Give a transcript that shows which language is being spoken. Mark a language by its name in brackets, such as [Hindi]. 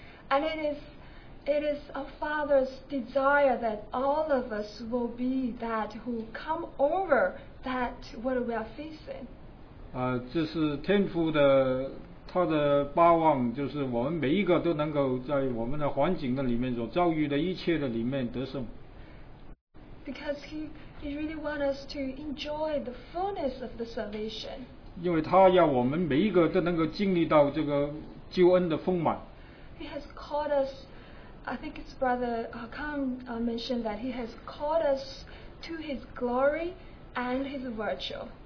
[English] And it is our Father's desire that all of us will be that who come over that what we are facing. [Chinese] 这是天父的他的巴望，就是我们每一个都能够在我们的环境的里面所遭遇的一切的里面得胜。 [English] Because he really wants us to enjoy the fullness of the salvation. [Chinese] 因为他要我们每一个都能够经历到这个救恩的丰满。 [English] He has called us, I think his brother Khan mentioned that he has called us to his glory and his virtue.